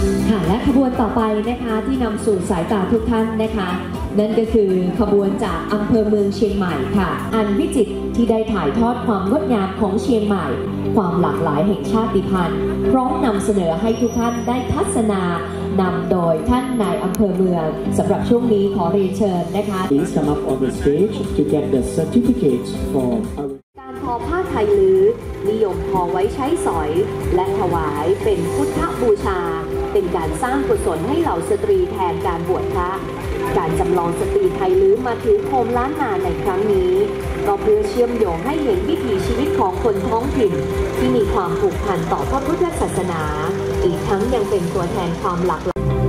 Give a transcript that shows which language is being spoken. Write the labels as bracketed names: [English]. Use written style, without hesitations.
[Thai] ค่ะและขบวนต่อไปนะคะที่นำสู่สายตาทุกท่านนะคะนั่นก็คือขบวนจากอำเภอเมืองเชียงใหม่ค่ะอันวิจิตรที่ได้ถ่ายทอดความงดงามของเชียงใหม่ความหลากหลายแห่งชาติพันธุ์พร้อมนำเสนอให้ทุกท่านได้ทัศนานำโดยท่านนายอำเภอเมืองสำหรับช่วงนี้ขอเรียนเชิญนะคะ [English] Please come up on the stage to get the certificate for [Thai] การทอผ้าไทยลื้อนิยมทอไว้ใช้สอยและถวายเป็นพุทธบูชาเป็นการสร้างกุศลให้เหล่าสตรีแทนการบวชพระการจำลองสตรีไทยลื้อมาถือโคมล้านนาในครั้งนี้ก็เพื่อเชื่อมโยงให้เห็นวิถีชีวิตของคนท้องถิ่นที่มีความผูกพันต่อพระพุทธศาสนาอีกทั้งยังเป็นตัวแทนความหลากหลาย